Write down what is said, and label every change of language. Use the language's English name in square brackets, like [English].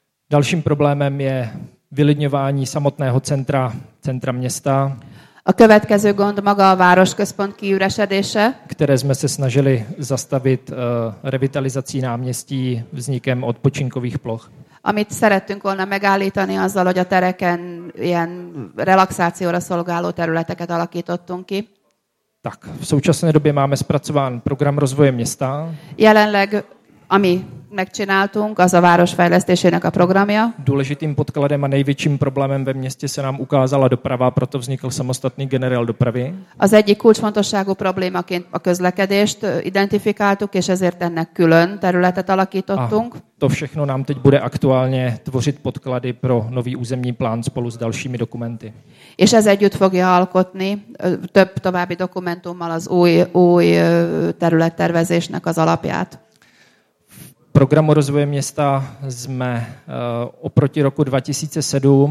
[Czech] Dalším problémem je vylidňování samotného centra města. [Hungarian] A következő gond maga a városközpont kiüresedése, [Czech] které jsme se snažili zastavit revitalizací náměstí vznikem odpočinkových ploch. [Hungarian] Amit szerettünk volna megállítani azzal, hogy a tereken ilyen relaxációra szolgáló területeket alakítottunk ki. [Czech] Tak, v současné době máme zpracován program rozvoje města. [Hungarian] Jelenleg ami megcsináltunk, az a városfejlesztésének a programja. [Czech] Důležitým podkladem a největším problémem ve městě se nám ukázala doprava, proto vznikl samostatný generál dopravy. [Hungarian] Az egyik kulcsfontosságú problémaként a közlekedést identifikáltuk, és ezért ennek külön területet alakítottunk. [Czech] A to všechno nám teď bude aktuálně tvořit podklady pro nový územní plán spolu s dalšími dokumenty. [Hungarian] És ez együtt fogja alkotni több további dokumentummal az új területtervezésnek az alapját. [Czech] Programu rozvoje města jsme oproti roku 2007.